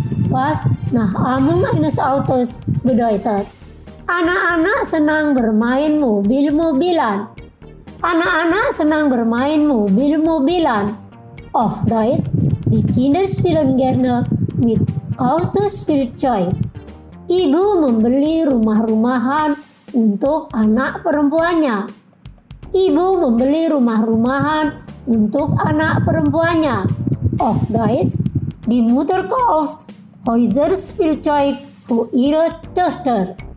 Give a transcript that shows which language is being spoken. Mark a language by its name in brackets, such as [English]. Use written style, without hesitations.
[German] Was Nachahmung eines Autos bedeutet. [Indonesian] Anak-anak senang bermain mobil-mobilan. Anak-anak senang bermain mobil-mobilan. [German] Auf Deutsch, die Kinder spielen gerne mit Autospielzeug. [Indonesian] Ibu membeli rumah-rumahan untuk anak perempuannya. Ibu membeli rumah-rumahan untuk anak perempuannya. [German] Auf Deutsch, die Mutter kauft Häuser Spielzeug für ihre Tochter.